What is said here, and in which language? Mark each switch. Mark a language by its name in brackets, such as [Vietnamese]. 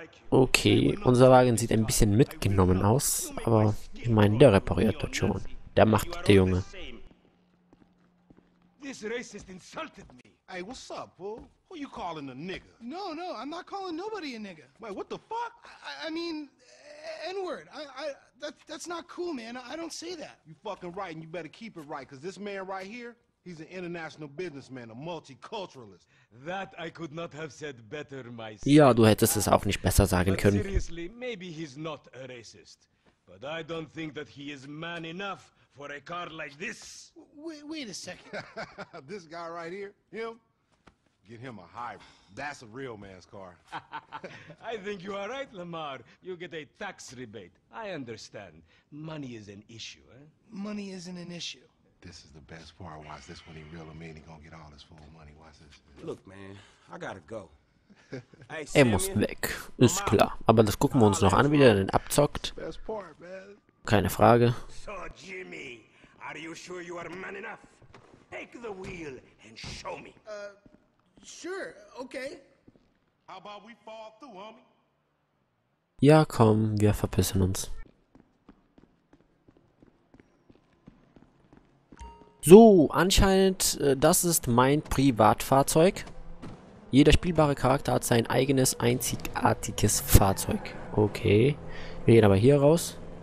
[German] Okay, unser Wagen sieht ein bisschen mitgenommen aus, aber ich meine, der repariert das schon. Der macht der Junge. [English] This racist insulted me. Hey, what's up, Paul? Who you calling a nigger? No, no, I'm not calling nobody a nigger. Wait, what the fuck? I mean, N-word. That's not cool, man. I don't say that. You fucking right, and you better keep it right, because this man right here, he's an international businessman, a multiculturalist. That I could not have said better myself. [German] Ja, du hättest es auch nicht besser sagen können. [English] Seriously, maybe he's not a racist. But I don't think that he is man enough for a car like this. Wait a second. This guy right here, him? Get him a hybrid. That's a real man's car. I think you are right, Lamar. You get a tax rebate. I understand. Money is an issue, eh? Money isn't an issue. This is the best part. Watch this when he real or mean, he gonna get all his full money. Watch this. Look, man, I gotta go. [German] Er muss weg, ist klar. Aber das gucken wir uns noch an, wie der den abzockt. Keine Frage. [English] So, Jimmy, are you sure you are man enough? Take the wheel and show me. Sure, okay. How about we fall through, homie? [German] Ja, komm, wir verpissen uns. So, anscheinend, das ist mein Privatfahrzeug. Jeder spielbare Charakter hat sein eigenes, einzigartiges Fahrzeug. Okay. Wir gehen aber hier raus.